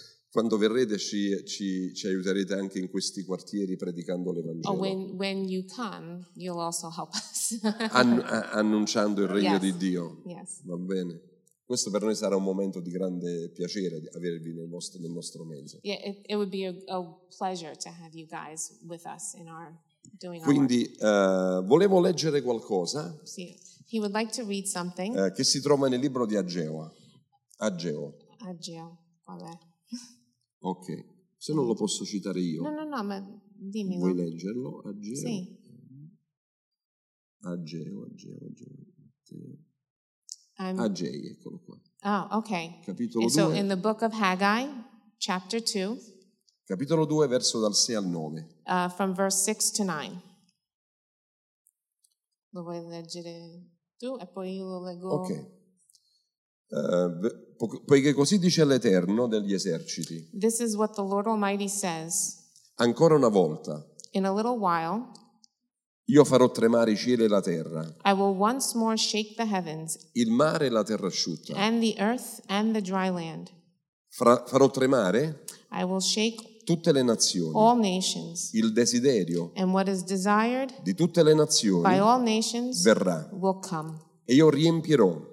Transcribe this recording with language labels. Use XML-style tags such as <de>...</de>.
<it>quando verrete ci aiuterete anche in questi quartieri predicando l'Evangelo.</it> <en>Oh, when you come, you'll also help us.</en> <it>annunciando il regno,</it> <en>yes,</en> <it>di Dio.</it> <en>Yes.</en> <it>Va bene. Questo per noi sarà un momento di grande piacere di avervi nel nostro mezzo.</it> <en>Yeah, it would be a pleasure to have you guys with us in our doing our.</en> <it>Quindi volevo leggere qualcosa. Sì.</it> <en>He would like to read something.</en> <it>Che si trova nel libro di Ageo. Ageo. Ageo, vabbè. Ok. Se non lo posso citare io. No, ma dimmi. Vuoi leggerlo, Ageo? Sì. Ageo. Ageo, eccolo qua.</it> <en>Oh, okay.</en> <it>Capitolo 2.</it> <en>So in the book of Haggai, chapter 2.</en> <it>Capitolo 2, verso dal 6 al 9.</it> <en>From verse 6 to 9.</en> <it>Lo vuoi leggere tu e poi io lo leggo. Ok. Poiché così dice l'Eterno degli eserciti.</it> <en>This is what the Lord Almighty says.</en> <it>Ancora una volta.</it> <en>In a little while.</en> <it>Io farò tremare i cieli e la terra.</it> <en>I will once more shake the heavens.</en> <it>Il mare e la terra asciutta.</it> <en>And the earth and the dry land.</en> <it>Farò tremare.</it> <en>I will shake</en> <it>tutte le nazioni,</it> <en>all nations,</en> <it>il desiderio,</it> <en>and what is desired,</en> <it>di tutte le nazioni,</it> <en>by all nations,</en> <it>verrà,</it> <en>will come,</en> <it>e io riempirò,</it>